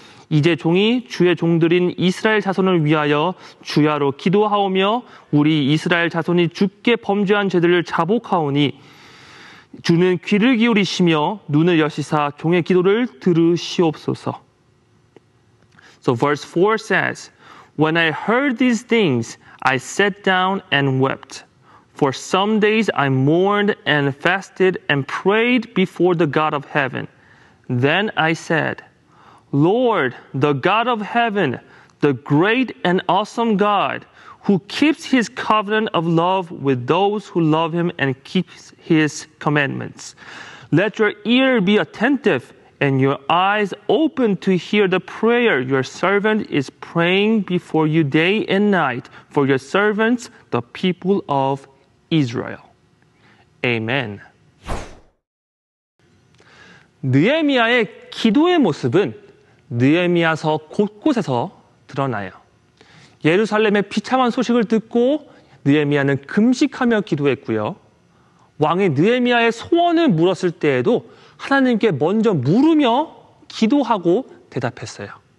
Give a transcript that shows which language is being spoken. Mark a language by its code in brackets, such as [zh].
[ko] 이제 종이 주의 종들인 이스라엘 자손을 위하여 주야로 기도하오며 우리 이스라엘 자손이 주께 범죄한 죄들을 자복하오니 주는 귀를 기울이시며 눈을 여시사 종의 기도를 들으시옵소서. [en] So verse 4 says, When I heard these things, I sat down and wept. For some days I mourned and fasted and prayed before the God of heaven. Then I said, Lord, the God of heaven, the great and awesome God, who keeps his covenant of love with those who love him and keeps his commandments. Let your ear be attentive and your eyes open to hear the prayer your servant is praying before you day and night for your servants, the people of Israel. Amen. [ko] 느헤미야의 기도의 모습은 느헤미야서 곳곳에서 드러나요. 예루살렘의 비참한 소식을 듣고 느헤미야는 금식하며 기도했고요. 왕이 느헤미야의 소원을 물었을 때에도 하나님께 먼저 물으며 기도하고 대답했어요.